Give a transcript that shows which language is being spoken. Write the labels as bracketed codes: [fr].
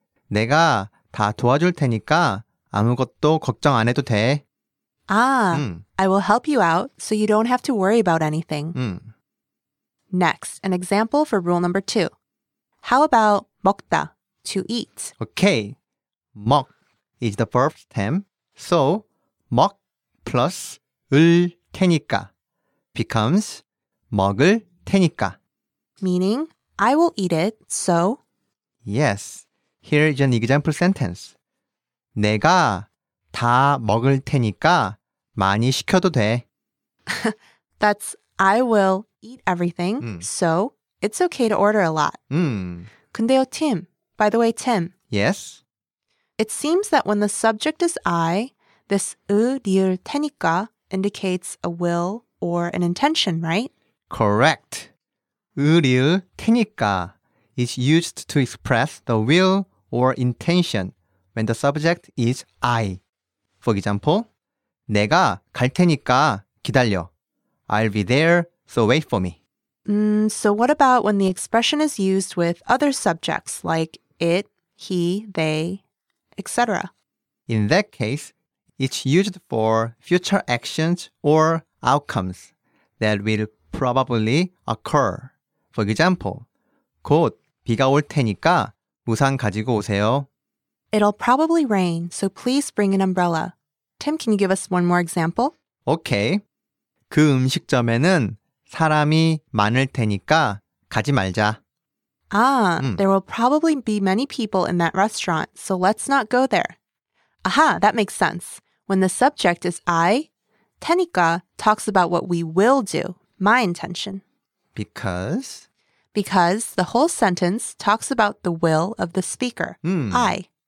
[ko] 내가 다 도와줄 테니까 아무것도 걱정 안 해도 돼. [en] I will help you out so you don't have to worry about anything. Next, an example for rule number two. How about 먹다, to eat? Okay, 먹 is the verb stem. So, 먹 plus 을 테니까 becomes 먹을 테니까. Meaning, I will eat it, so. Yes, here is an example sentence. [ko] 내가 다 먹을 테니까 많이 시켜도 돼. [en] That's I will eat everything, so it's okay to order a lot. [ko] 근데요, [en] Tim. By the way, Tim. Yes? It seems that when the subject is I, this 을 테니까 indicates a will or an intention, right? Correct. 을 테니까 is used to express the will or intention when the subject is I. For example, [ko] 내가 갈 테니까 기다려. [en] I'll be there, so wait for me. So what about when the expression is used with other subjects like it, he, they, etc.? In that case, it's used for future actions or outcomes that will probably occur. For example, [ko] 곧 비가 올 테니까 우산 가지고 오세요. [en] It'll probably rain, so please bring an umbrella. Tim, can you give us one more example? Okay. [ko] 그 음식점에는 사람이 많을 테니까 가지 말자. [en] There will probably be many people in that restaurant, so let's not go there. Aha, that makes sense. When the subject is I, 테니까 talks about what we will do, my intention. Because? Because the whole sentence talks about the will of the speaker, I.